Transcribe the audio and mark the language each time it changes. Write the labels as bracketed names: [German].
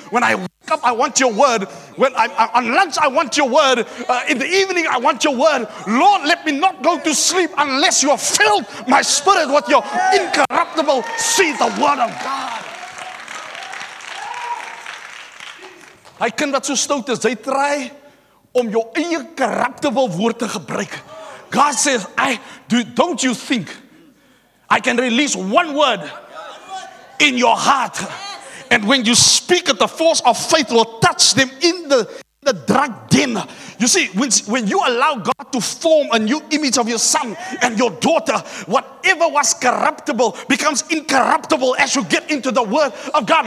[English] When I wake up, I want your word. When I'm on lunch, I want your word. In the evening, I want your word. Lord, let me not go to sleep unless you have filled my spirit with your incorruptible seed, the word of God. [Afrikaans] Hy kind wat so stout is, hy try om jou eie corruptible woord te gebruik. [English] God says, don't you think I can release one word in your heart? And when you speak it, the force of faith will touch them in the drug den. You see, when you allow God to form a new image of your son and your daughter, whatever was corruptible becomes incorruptible as you get into the word of God.